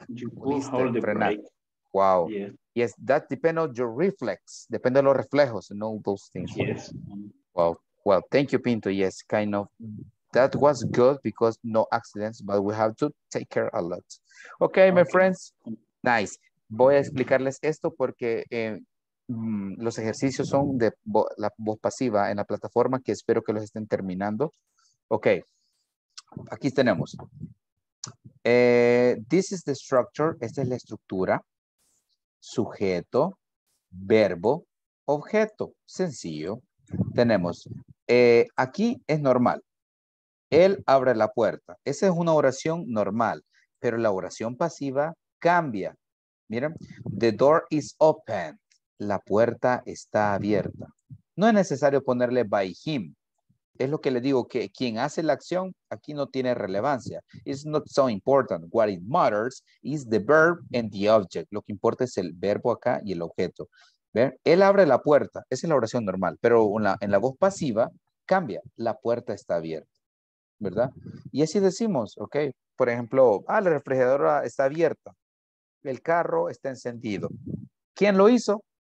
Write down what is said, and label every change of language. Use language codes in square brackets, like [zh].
[en] You could hold the brake. Wow. Yes. Yes, that depends on your reflex. [es] Depende de los reflejos [en] and all those things. Yes. Well, thank you, Pinto. Yes, kind of. That was good because no accidents, but we have to take care a lot. Okay, my friends. Nice. [es] Voy a explicarles esto porque los ejercicios son de la voz pasiva en la plataforma que espero que los estén terminando. Okay. Aquí tenemos. [en] This is the structure. [es] Esta es la estructura. Sujeto, verbo, objeto. Sencillo. tenemos, aquí es normal. Él abre la puerta. Esa es una oración normal, pero la oración pasiva cambia. Miren, [en] the door is open. [es] La puerta está abierta. No es necesario ponerle [en] by him. [es] Es lo que le digo, que quien hace la acción aquí no tiene relevancia. [en] It's not so important. What it matters is the verb and the object. [es] Lo que importa es el verbo acá y el objeto. ¿Ven? Él abre la puerta. Esa es la oración normal. Pero en la voz pasiva cambia. La puerta está abierta. ¿Verdad? Y así decimos, ¿ok? Por ejemplo, ah, la refrigeradora está abierta. El carro está encendido. ¿Quién lo hizo?